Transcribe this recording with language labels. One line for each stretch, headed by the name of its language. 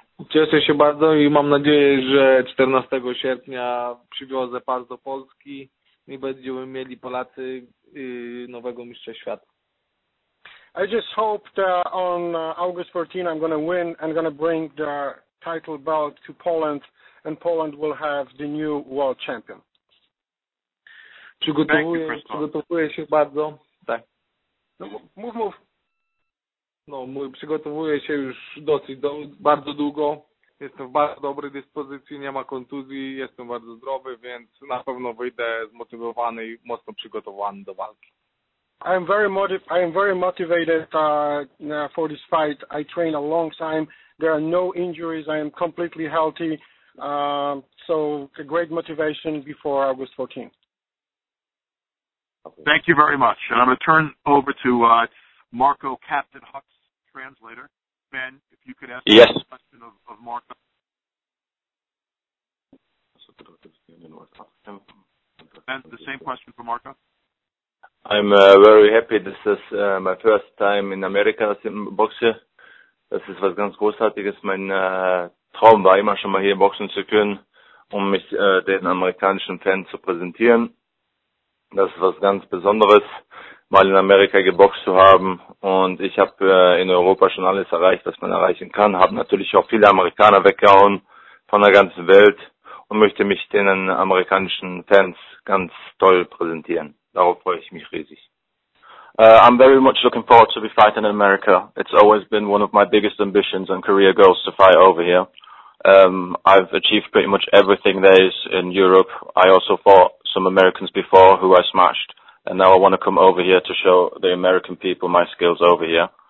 Polish: Cieszę się bardzo i mam nadzieję, że 14 sierpnia przywiozę pas do Polski i będziemy mieli Polacy nowego mistrza świata.
English: I just hope that on August 14 I'm going to win and going to bring the title belt to Poland, and Poland will have the new world champion.
Polish: Przygotowuję się bardzo. Tak.
English: Move.
Polish: No, przygotowuję się już dosyć bardzo długo. Jestem w bardzo dobrej dyspozycji, nie ma kontuzji, jestem bardzo zdrowy, więc na pewno wyjdę zmotywowany i mocno przygotowany do walki.
English: I am very motivated for this fight. I train a long time. There are no injuries. I am completely healthy. So a great motivation before August 14th. Thank you very much. And I'm going to turn over to Marco Captain Hux, translator. Ben, if you could ask yes. a question of Marco. Ben, the same question for Marco. I'm very happy. This is my first time in America as a boxer.
German: Das ist was ganz Großartiges. Mein Traum war immer schon mal hier boxen zu können, um mich den amerikanischen Fans zu präsentieren. Das ist was ganz Besonderes, mal in Amerika geboxt zu haben. Und ich habe in Europa schon alles erreicht, was man erreichen kann. Habe natürlich auch viele Amerikaner weggehauen von der ganzen Welt und möchte mich den amerikanischen Fans ganz toll präsentieren. Darauf freue ich mich riesig.
English: I'm very much looking forward to be fighting in America. It's always been one of my biggest ambitions and career goals to fight over here. I've achieved pretty much everything there is in Europe. I also fought some Americans before who I smashed. And now I want to come over here to show the American people my skills over here.